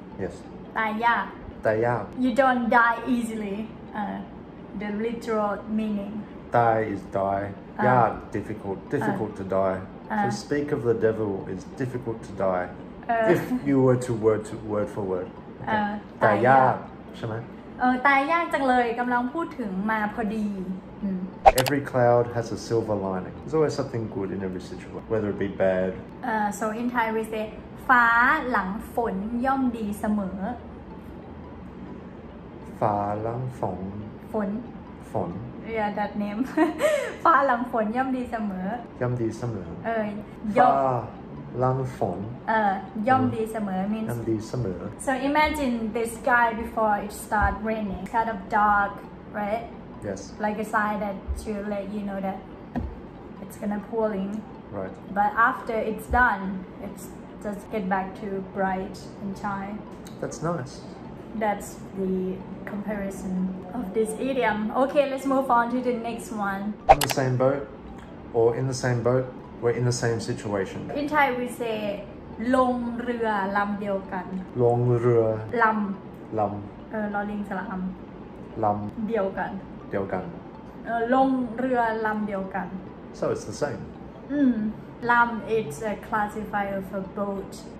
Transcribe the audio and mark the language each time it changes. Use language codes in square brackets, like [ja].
[en] Yes. [th] ตายยาก ตายยาก [en] You don't die easily. The literal meaning. ตาย is die. ยาก difficult. Difficult to die. To speak of the devil is difficult to die. If you were to word for word. [th] ตายยากใช่ไหม ตายยากจังเลยกำลังพูดถึงมาพอดี [en] Every cloud has a silver lining. There's always something good in every situation, whether it be bad. So in Thai we say, [th] ฟ้าหลังฝนย่อมดีเสมอ ฟ้าหลังฝน ฝน ฝน [en] Yeah, that name. [th] ฟ้าหลังฝนย่อมดีเสมอ ย่อมดีเสมอ ย่อมฟ้าหลังฝน ย่อมดีเสมอ means ย่อมดีเสมอ [en] So imagine the sky before it start raining, kind of dark, right? Yes. Like a sign that to let you know that it's gonna pouring. Right. But after it's done, it's just get back to bright and shine. That's nice. That's the comparison of this idiom. Okay, let's move on to the next one. In the same boat, or in the same boat, we're in the same situation. In Thai, we say [th] ลงเรือลำเดียวกัน ลงเรือ ลำ ลำ ลอลิงสระอำ ลำ เดียวกัน เดียวกัน ลงเรือลำเดียวกัน [en] So it's the same. ลำ it's a classifier of a boat.